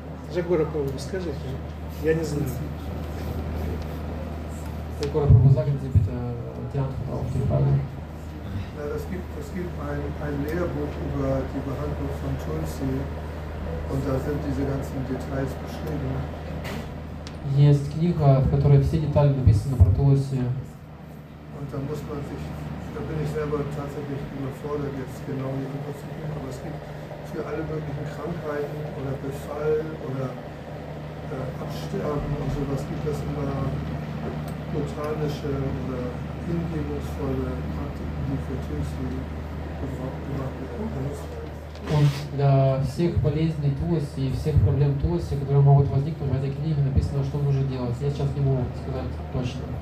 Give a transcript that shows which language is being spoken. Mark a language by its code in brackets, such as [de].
[ru] Jagura Prabhu, скажите, я не знаю. [de] Jagura Prabhu, sagen Sie bitte die Antwort auf die Frage. Es gibt ein Lehrbuch über die Behandlung von Tulsi und da sind diese ganzen Details beschrieben. [ru] Есть книга, в которой все детали написаны про Тулоси. [de] Und da muss man sich, da bin ich selber tatsächlich überfordert, jetzt genau hier zu gehen, aber es gibt für alle möglichen Krankheiten oder Befall oder Absterben und sowas gibt es immer botanische oder hingebungsvolle Praktiken, die für Tulsi gemacht werden. Und [ru] для всех болезней Туласи и всех проблем Туласи, которые могут возникнуть в этой книге, написано, что нужно делать. Я сейчас не могу сказать точно.